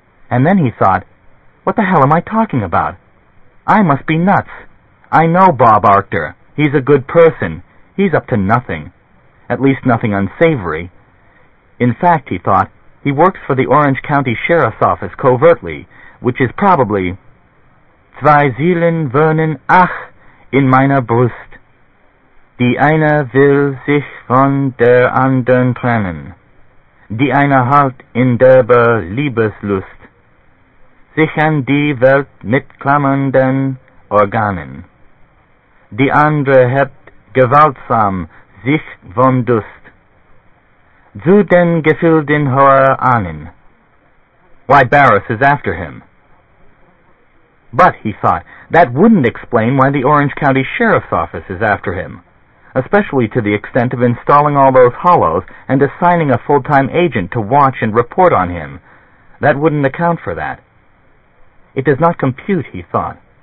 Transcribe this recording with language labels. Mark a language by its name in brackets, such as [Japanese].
[English] And then he thought, what the hell am I talking about? I must be nuts. I know Bob Arctur. He's a good person. He's up to nothing. At least nothing unsavory. In fact, he thought, he works for the Orange County Sheriff's Office covertly, which is probably... [German] Zwei Seelen wohnen ach in meiner Brust. Die eine will sich von der anderen trennen. Die eine halt in derber Liebeslust. Sich an die Welt mit klammernden Organen. Die andere hebt gewaltsam sich vom Dust. Zu den Gefilden hoher Ahnen. [English] Why, Barris is after him. But, he thought, that wouldn't explain why the Orange County Sheriff's Office is after him, especially to the extent of installing all those hollows and assigning a full-time agent to watch and report on him. That wouldn't account for that. It does not compute, he thought.